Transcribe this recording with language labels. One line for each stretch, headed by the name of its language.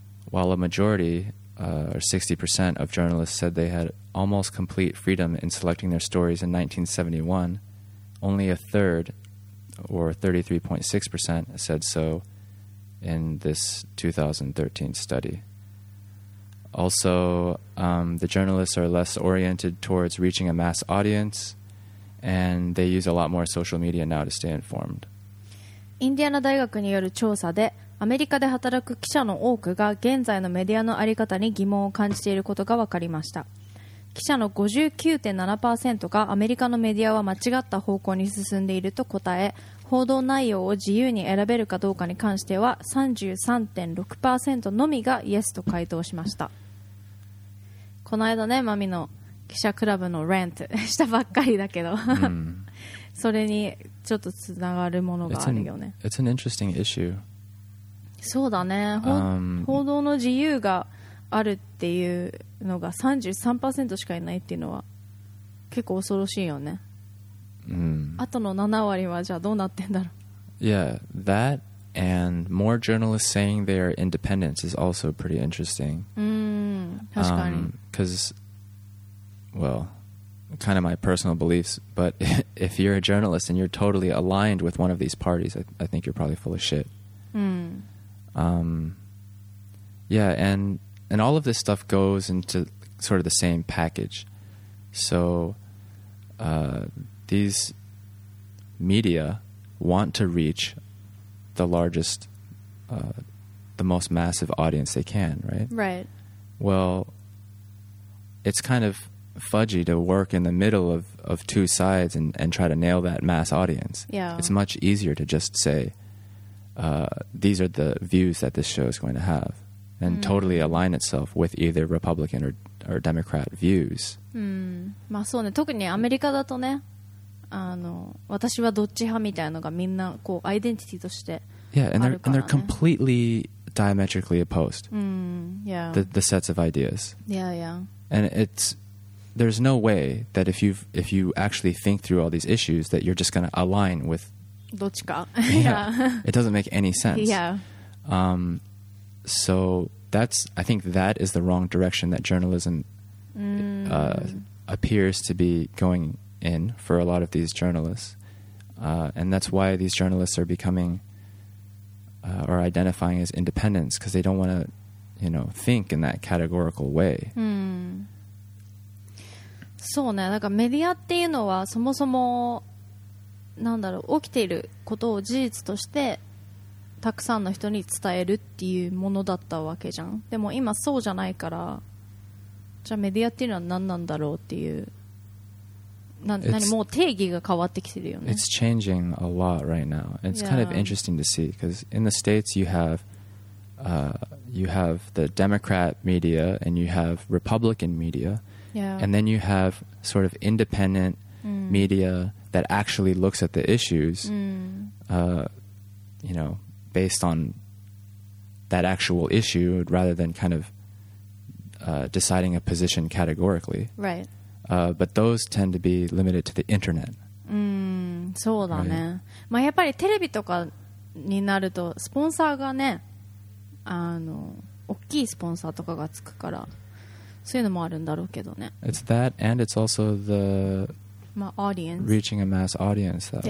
English: While a majority, or 60% of journalists, said they had almost complete freedom in selecting their stories in 1971, only a third, or 33.6%, said so. In this 2013 study. Also, the journalists are less oriented towards reaching a mass audience, and they use a lot more social media now to stay informed.
Japanese: インディアナ大学による調査で、アメリカで働く記者の多くが現在のメディアのあり方に疑問を感じていることが分かりました。記者の 59.7% がアメリカのメディアは間違った方向に進んでいると答え、報道内容を自由に選べるかどうかに関しては 33.6% のみがイエスと回答しました。この間ね、マミの記者クラブのラントしたばっかりだけど、mm. それにちょっとつながるものがあるよね。
English: It's an interesting issue.
Japanese: そうだね。報道の自由があるっていうのが 33% しかいないっていうのは結構恐ろしいよね。 Mm. あとの7割はじゃあどうなってんだろう
English: Yeah, that And more journalists saying they are independent is also pretty interesting. Mm, 'cause, well, kind of my personal beliefs, but if you're a journalist and you're totally aligned with one of these parties, I think you're probably full of shit. Mm. Yeah, and all of this stuff goes into sort of the same package. So these media want to reach the largest, the most massive audience they can, right? Right. Well, it's kind of fudgy to work in the middle of two sides and try to nail that mass audience. Yeah. It's much easier to just say, these are the views that this show is going to have, and mm. totally align itself with either Republican or Democrat views. Mm.
Japanese: まあそうね、特にアメリカだとね、あの私はどっち派みたいなのがみんなこうアイデンティティとしてあるからね。
English: Yeah, and they're completely diametrically opposed. Mm, yeah. The sets of ideas. Yeah, yeah. And it's there's no way that if you actually think through all these issues that you're just going to align with
Japanese: どっちか。
English: Yeah. It doesn't make any sense. Yeah. So that's I think that is the wrong direction that journalism appears to be going in for a lot of these journalists, and that's why these journalists are becoming or identifying as independents, because they don't want to, you know, think in that categorical way.
Japanese: そうね、なんかメディアっていうのはそもそもなんだろう、起きていることを事実としてたくさんの人に伝えるっていうものだったわけじゃん。でも今そうじゃないから、じゃあメディアっていうのは何なんだろうっていう。
English: It's changing a lot right now. It's yeah. kind of interesting to see, because in the States you have the Democrat media and you have Republican media, yeah. and then you have sort of independent mm. media that actually looks at the issues, you know, based on that actual issue rather than kind of deciding a position categorically. Right. But those tend to be limited to the internet.
Japanese: そうだね。まあやっぱりテレビとかになるとスポンサーがね、あの大きいスポンサーとかがつくから、そういうのもあるんだろうけどね。
English: It's that, and it's also the
Japanese: まあ audience
English: reaching a mass audience that way.